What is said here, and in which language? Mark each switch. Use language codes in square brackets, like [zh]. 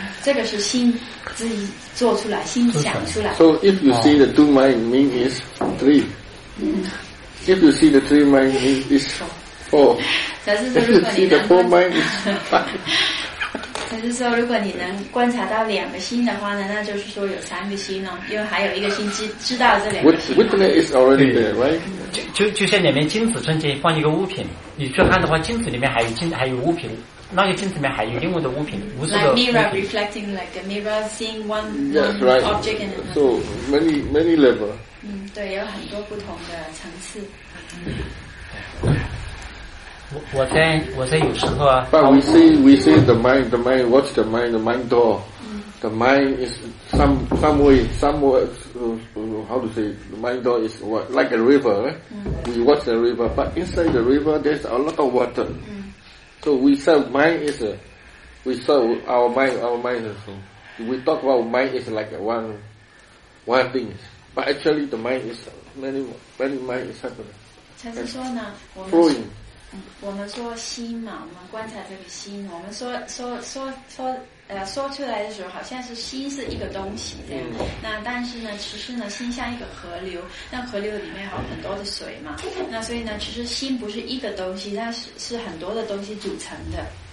[zh] 这个是心自己做出来，心想出来。 [en] So if you see the two mind, mean is three. If you see the three mind, mean is four. If you see the four mind, is five. [zh] 就是说，如果你能观察到两个心的话呢，那就是说有三个心哦，因为还有一个心知道这两个心。 [en] Witness is already there, right? [zh] 就像里面镜子中间放一个物品，你去看的话，镜子里面还有物品。那个镜子里面还有另外的物品，无数个物品。 [en] Like mirror reflecting, like a mirror seeing one, yes, right. one object in it. So many, many level. [zh] 对，有很多不同的层次。我在有时候啊。 [en] But we see the mind, watch the mind door. The mind is somewhere, how to say, the mind door is like a river, right? We watch the river, but inside the river there's a lot of water. So we say mind is we say our mind is, so we talk about mind is like one thing, but actually the mind is many mind is happening. [zh] 他是说呢，我们说心嘛，我们观察这个心，我们说出来的时候，好像是心是一个东西这样。那但是呢，其实呢，心像一个河流，那河流里面有很多的水嘛。那所以呢，其实心不是一个东西，它是很多的东西组成的。